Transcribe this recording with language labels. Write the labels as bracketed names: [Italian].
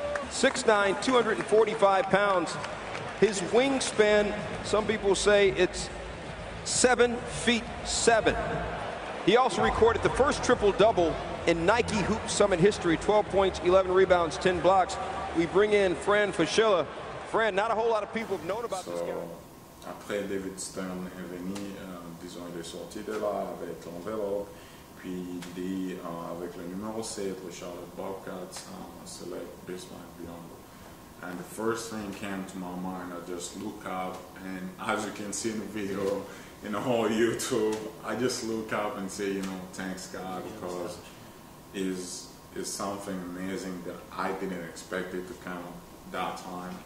[English] 6'9", 245 pounds. His wingspan, some people say it's 7'7". He also recorded the first triple-double in Nike Hoop Summit history, 12 points, 11 rebounds, 10 blocks. We bring in Fran Fischella. Fran, not a whole lot of people have known about this guy. [French] Après, David Stern est venu, disons, il est sorti de là avec l'enveloppe. Puis il dit, avec le numéro 7, le Charlotte Bobcats, select Bismack Biyombo. [English] And the first thing came to my mind, I just look up, and as you can see in the video, in the whole YouTube, I just look up and say, you know, thanks God, because it's something amazing that I didn't expect it to come that time.